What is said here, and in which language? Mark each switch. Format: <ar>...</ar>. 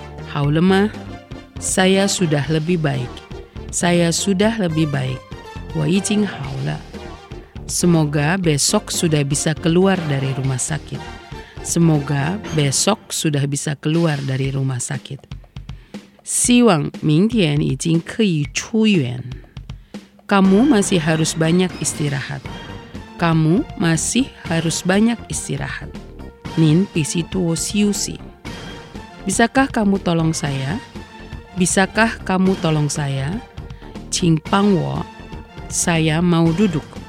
<id>How lemah? Saya sudah lebih baik. Saya sudah lebih baik.</id> <zh>我已经好了。</zh> <id>Semoga besok sudah bisa keluar dari rumah sakit. Semoga besok sudah bisa keluar dari rumah sakit.</id> <zh>希望明天已经可以出院。</zh> <id>Kamu masih harus banyak istirahat. Kamu masih harus banyak istirahat.</id> <zh>您必须多休息。</zh> <id>Bisakah kamu tolong saya? Bisakah kamu tolong saya?</id> <zh>请帮我，</zh> <id>saya mau duduk，</id>